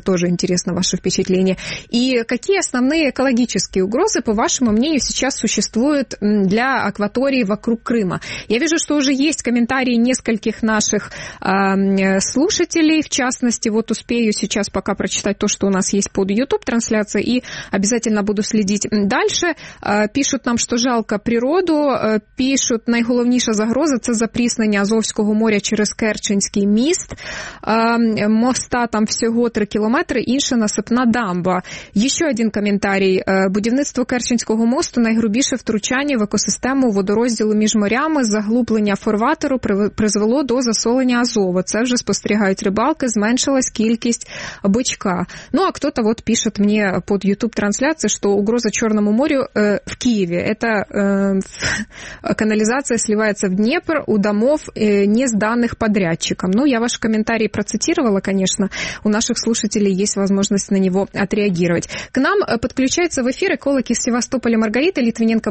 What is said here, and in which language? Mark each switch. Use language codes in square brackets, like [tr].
[ru] Тоже интересно ваше впечатление. И какие основные экологические угрозы, по вашему мнению, сейчас существуют для акватории вокруг Крыма? Я вижу, что уже есть комментарии нескольких наших слушателей, в частности, вот успею сейчас пока прочитать то, что у нас есть под YouTube-трансляцией, и обязательно буду следить дальше. Пишут нам, что жалко природу, пишут, [uk] найголовніша загроза – це запріснення Азовського моря через Керченський міст, моста там всього 3 кілометри, інша насипна дамба. Ще один коментарій. Будівництво Керченського мосту – найгрубіше втручання в екосистему водорозділу між морями, заглублення фарватеру призвело до засолення Азова. Це вже спостерігають рибалки, зменшилась кількість бичка. [ru] Ну, а кто-то вот пишет мне под YouTube-трансляцией, что угроза Черному морю в Киеве. Это канализация сливается в Днепр у домов, не сданных подрядчиком. Ну, я ваш комментарий процитировала, конечно. У наших слушателей есть возможность на него отреагировать. К нам подключается в эфир эколог из Севастополя Маргарита Литвиненко.